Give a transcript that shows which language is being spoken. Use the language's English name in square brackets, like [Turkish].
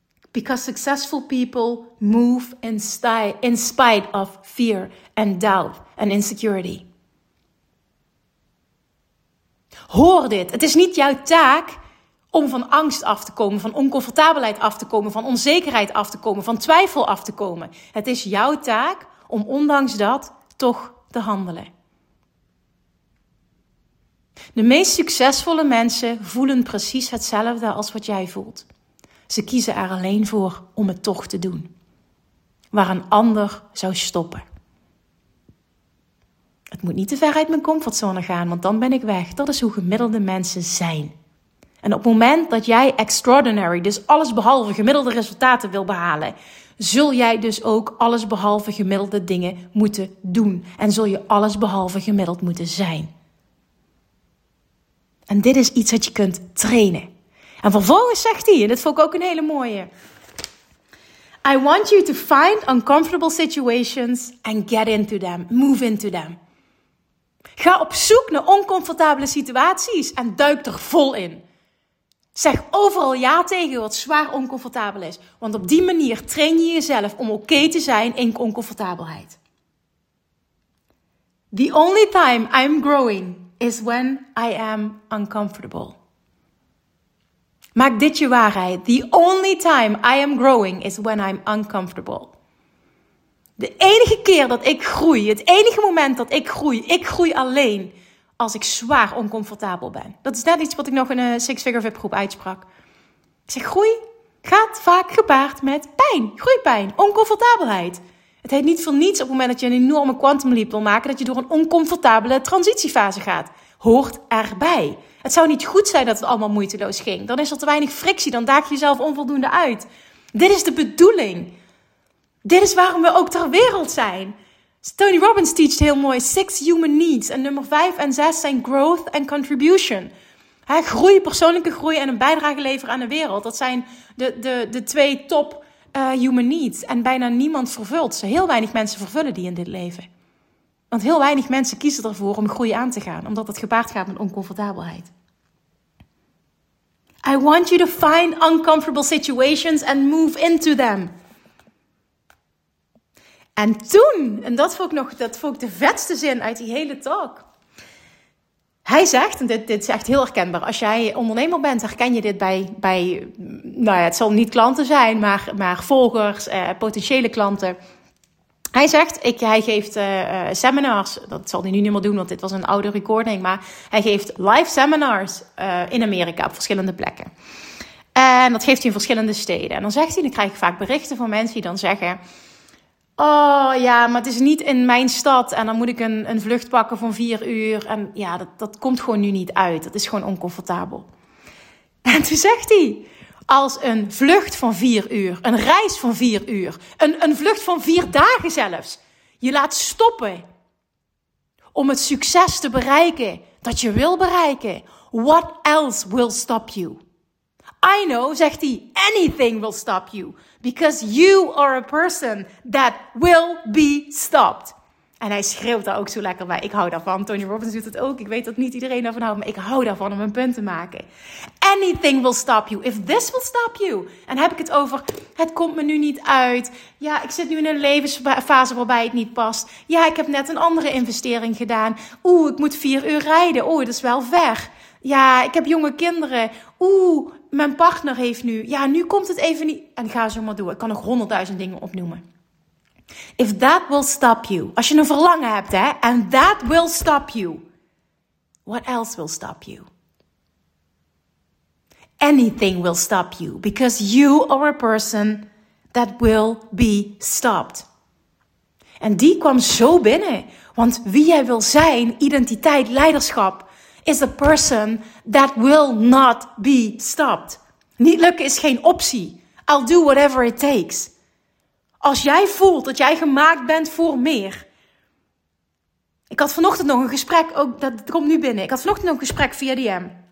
[English] Because successful people move in spite of fear and doubt and insecurity. [Dutch] Hoor dit. Het is niet jouw taak om van angst af te komen, van oncomfortabelheid af te komen, van onzekerheid af te komen, van twijfel af te komen. Het is jouw taak om ondanks dat toch te handelen. De meest succesvolle mensen voelen precies hetzelfde als wat jij voelt. Ze kiezen er alleen voor om het toch te doen. Waar een ander zou stoppen. Het moet niet te ver uit mijn comfortzone gaan, want dan ben ik weg. Dat is hoe gemiddelde mensen zijn. En op het moment dat jij extraordinary, dus alles behalve gemiddelde resultaten wil behalen, zul jij dus ook alles behalve gemiddelde dingen moeten doen. En zul je alles behalve gemiddeld moeten zijn. En dit is iets dat je kunt trainen. En vervolgens zegt hij, en dat vond ik ook een hele mooie. [English] I want you to find uncomfortable situations and get into them. Move into them. [Dutch] Ga op zoek naar oncomfortabele situaties en duik er vol in. Zeg overal ja tegen wat zwaar oncomfortabel is. Want op die manier train je jezelf om oké te zijn in oncomfortabelheid. [English] The only time I'm growing is when I am uncomfortable. [Dutch] Maak dit je waarheid. [English] The only time I am growing is when I'm uncomfortable. [Dutch] De enige keer dat ik groei, het enige moment dat ik groei alleen als ik zwaar oncomfortabel ben. Dat is net iets wat ik nog in een Six Figure VIP groep uitsprak. Ik zeg, groei gaat vaak gepaard met pijn, groeipijn, oncomfortabelheid. Het heet niet voor niets op het moment dat je een enorme quantum leap wil maken, dat je door een oncomfortabele transitiefase gaat. Hoort erbij. Het zou niet goed zijn dat het allemaal moeiteloos ging. Dan is er te weinig frictie, dan daag je jezelf onvoldoende uit. Dit is de bedoeling. Dit is waarom we ook ter wereld zijn. Tony Robbins teacht heel mooi, 6 human needs. En nummer 5 en 6 zijn [English] growth and contribution. [Dutch] He, groei, persoonlijke groei en een bijdrage leveren aan de wereld. Dat zijn de 2 top human needs. En bijna niemand vervult ze. Heel weinig mensen vervullen die in dit leven. Want heel weinig mensen kiezen ervoor om groei aan te gaan. Omdat het gepaard gaat met oncomfortabelheid. [English] I want you to find uncomfortable situations and move into them. [Dutch] En toen, en dat vond ik de vetste zin uit die hele talk. Hij zegt, en dit is echt heel herkenbaar. Als jij ondernemer bent, herken je dit bij nou ja, het zal niet klanten zijn, maar volgers, potentiële klanten. Hij zegt, hij geeft seminars, dat zal hij nu niet meer doen, want dit was een oude recording. Maar hij geeft live seminars in Amerika op verschillende plekken. En dat geeft hij in verschillende steden. En dan zegt hij, dan krijg ik vaak berichten van mensen die dan zeggen, oh ja, maar het is niet in mijn stad en dan moet ik een vlucht pakken van 4 uur. En ja, dat komt gewoon nu niet uit. Dat is gewoon oncomfortabel. En toen zegt hij, als een vlucht van 4 uur, een reis van 4 uur, een vlucht van 4 dagen zelfs, je laat stoppen om het succes te bereiken dat je wil bereiken, [English] what else will stop you? I know, [Dutch] zegt hij, [English] anything will stop you. Because you are a person that will be stopped. [Dutch] En hij schreeuwt daar ook zo lekker bij. Ik hou daarvan. Tony Robbins doet het ook. Ik weet dat niet iedereen daarvan houdt. Maar ik hou daarvan om een punt te maken. [English] Anything will stop you. If this will stop you. [Dutch] En heb ik het over, het komt me nu niet uit. Ja, ik zit nu in een levensfase waarbij het niet past. Ja, ik heb net een andere investering gedaan. Oeh, ik moet 4 uur rijden. Oeh, dat is wel ver. Ja, ik heb jonge kinderen. Oeh, mijn partner heeft nu. Ja, nu komt het even niet. En ga zo maar door. Ik kan nog 100.000 dingen opnoemen. [English] If that will stop you. [Dutch] Als je een verlangen hebt, hè. [English] And that will stop you. What else will stop you? Anything will stop you. Because you are a person that will be stopped. [Dutch] En die kwam zo binnen. Want wie jij wil zijn, identiteit, leiderschap, [English] is a person that will not be stopped. [Dutch] Niet lukken is geen optie. [English] I'll do whatever it takes. [Dutch] Als jij voelt dat jij gemaakt bent voor meer. Ik had vanochtend nog een gesprek, ook dat komt nu binnen. Ik had vanochtend nog een gesprek via DM.